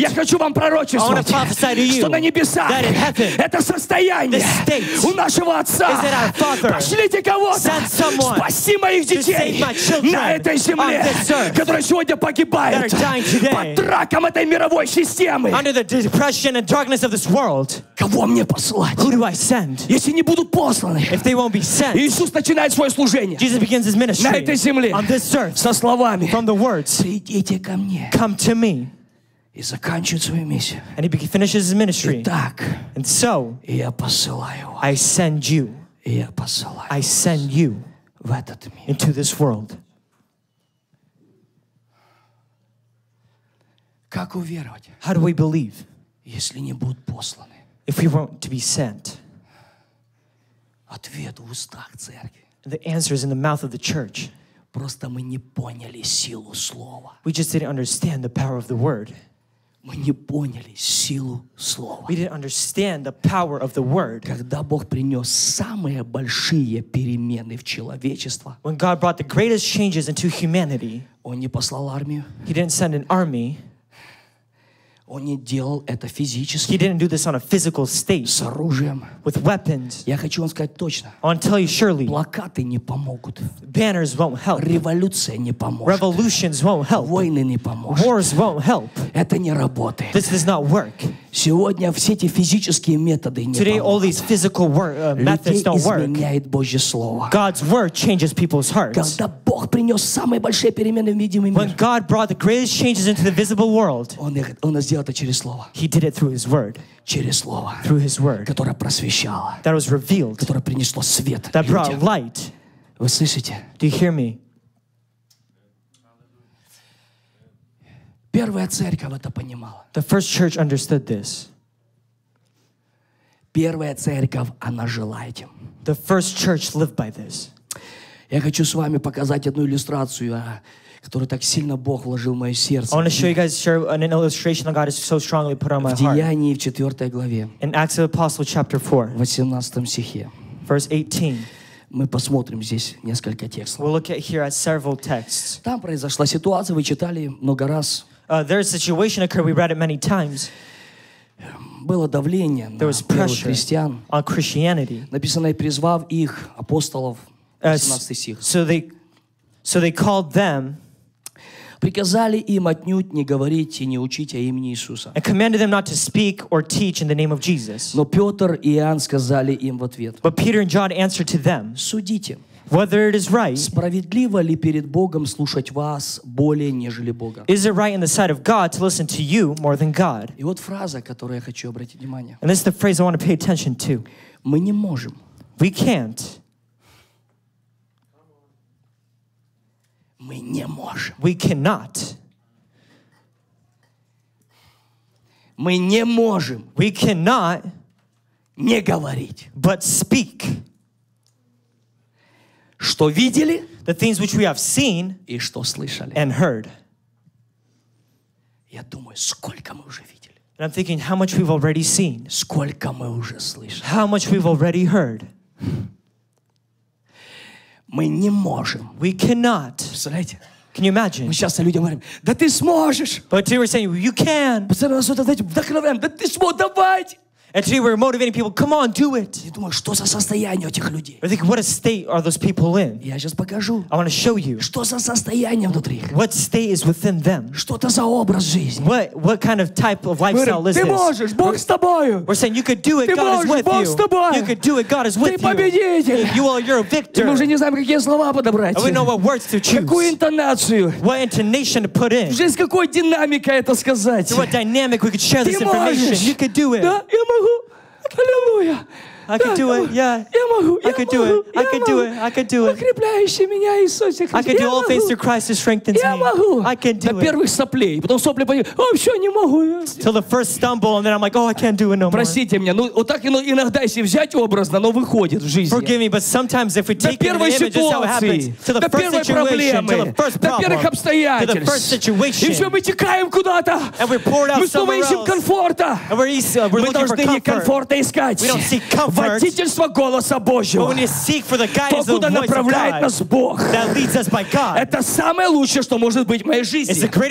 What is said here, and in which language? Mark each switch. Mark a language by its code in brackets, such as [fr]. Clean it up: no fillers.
[ru] Я хочу вам пророчествовать. Что на небесах. [en] That in heaven. [ru] Состояние [en] state [ru] у нашего отца. [en] Is it our father? [ru] Пошлите кого-то. Спаси моих детей на этой земле, которые сегодня погибают под раком этой мировой системы. [en] Under the depression and darkness of this world. [ru] Кого мне послать? [en] Who do I send? [ru] Если не будут посланы. [en] If they won't be sent. [ru] Иисус начинает свое служение. [en] Jesus begins his ministry. [ru] На этой земле. [en] On this earth. [ru] Со словами. [en] From the words. [ru] Придите ко мне. [en] Come to me. [ru] И заканчивает свою миссию. [en] And he finishes his ministry. [ru] Итак, [en] and so, [ru] я посылаю вас. [en] I send you. [ru] Я посылаю вас. [en] I send you. [ru] В этот мир. [en] Into this world. [ru] Как уверовать? [en] How do we believe? [ru] Если не будут посланы. [en] If we weren't to be sent. [ru] Ответ в устах церкви. [en] The answer is in the mouth of the church. [ru] Просто мы не поняли силу слова. [en] We just didn't understand the power of the word. [ru] Мы не поняли силу слова. [en] We didn't understand the power of the word. [ru] Когда Бог принес самые большие перемены в человечество, [en] when God brought the greatest changes into humanity, [ru] Он не послал армию. [en] He didn't send an army. [ru] Он не делал это физически. [en] He didn't do this on a physical state. [ru] С оружием. [en] With weapons. [ru] Я хочу вам сказать точно. [en] I want to tell you surely. [ru] Плакаты не помогут. [en] Banners won't help. [ru] Революция не поможет. [en] Revolutions won't help. [ru] Войны не помогут. [en] Wars won't help. [ru] Это не работает. [en] This does not work. [ru] Сегодня все эти физические методы не помогут. [en] Today all these physical methods don't work. [ru] Людей изменяет Божье слово. [en] God's word changes people's hearts. [ru] Когда Бог принес самые большие перемены в видимый мир. [en] When God brought the greatest changes into the visible world. [ru] Он сделал это через слово. [en] He did it through his word. [ru] Через слово. [en] Through his word. [ru] Которое просвещало. [en] That was revealed. [ru] Которое принесло свет. [en] That [ru] людям. [en] Brought light. [ru] Вы слышите? [en] Do you hear me? [ru] Первая церковь это понимала. [en] The first church understood this. [ru] Первая церковь, она жила этим. [en] The first church lived by this. [ru] Я хочу с вами показать одну иллюстрацию, которую так сильно Бог вложил в мое сердце. [en] I want to show you guys an illustration that God has so strongly put on my heart. [ru] В Деянии, в 4 главе. [en] In Acts of the Apostles, chapter 4. [ru] В 18 стихе. [en] Verse 18. [ru] Мы посмотрим здесь несколько текстов. [en] We'll look at here at several texts. [ru] Там произошла ситуация, вы читали много раз. [en] There's a situation occurred, we read it many times. [ru] Было давление [en] there [ru] на первых христиан. [en] On Christianity. [ru] Написано, и призвав их, апостолов, 18 стих. [en] So they called them. [ru] Приказали им отнюдь не говорить и не учить о имени Иисуса. [en] And commanded them not to speak or teach in the name of Jesus. [ru] Но Петр и Иоанн сказали им в ответ. [en] But Peter and John answered to them. [ru] Судите. [en] Whether it is right. [ru] Справедливо ли перед Богом слушать вас более, нежели Бога? [en] Is it right in the sight of God to listen to you more than God? [ru] И вот фраза, которую я хочу обратить внимание. [en] And this is the phrase I want to pay attention to. [ru] Мы не можем. [en] We can't. [ru] Мы не можем. [en] We cannot. [ru] Мы не можем. [en] We cannot. [ru] Не говорить. [en] But speak. [ru] Что видели? [en] The things which we have seen. [ru] И что слышали? [en] And heard. [ru] Я думаю, сколько мы уже видели? [en] And I'm thinking how much we've already seen. [ru] Сколько мы уже слышали? [en] How much we've already heard. [ru] Мы не можем. [en] We cannot. [ru] Представляете? [en] Can you imagine? [ru] Мы часто людям говорим, да ты сможешь. [en] But they were saying, you can. [ru] Представляете, вдохновляем, да ты сможешь, давайте. [en] And today we're motivating people, come on, do it. [ru] Я думаю, что за состояние этих людей? [en] I think, what a state are those people in? [ru] Я сейчас покажу. [en] I want to show you. [ru] Что за состояние внутри их? [en] What state is within them? [ru] Что-то за образ жизни? [en] What kind of type of lifestyle is this? [ru] Ты можешь, Бог с тобою. [en] We're saying, you could do it, [ru] ты [en] God is with [ru] Бог [en] you. [ru] С тобой. [en] You could do it, God is with [ru] ты победитель. [en] You. You are, you're a victor. [ru] И мы уже не знаем, какие слова подобрать. [en] And we know what words to choose. [ru] Какую интонацию? [en] What intonation to put in? [ru] Жизнь, какой динамикой это сказать? [en] So what dynamic we could share this information? [ru] Можешь. [en] You could do it. [ru] Да, я могу. Аллилуйя. [en] I could do it, yeah. [ru] Я могу, [en] I could do it. I could do it. I could do it. [ru] Укрепляющий меня Иисус. [en] I could do all things through Christ who strengthens me. [ru] Я могу. [en] I can do it. [ru] До первых соплей, потом сопли пойдут. О, все, не могу. [en] Till the first stumble, and then I'm like, oh, I can't do it no more. [ru] Простите меня, ну вот так иногда, если взять образно, но выходит в жизни. [en] Forgive me, but sometimes if we take it in the image, that's how it happens. [ru] До первой ситуации. До первой проблемы. До первых обстоятельств. [en] To the first situation. [ru] И все, мы текаем куда-то. [en] And we pour out somewhere else. [ru] Мы ищем комфорта. [en] And we're looking for comfort. [ru] Мы должны не комфорта искать. Водительство голоса Божьего. То, куда направляет нас Бог. Это самое лучшее, что может быть в моей жизни.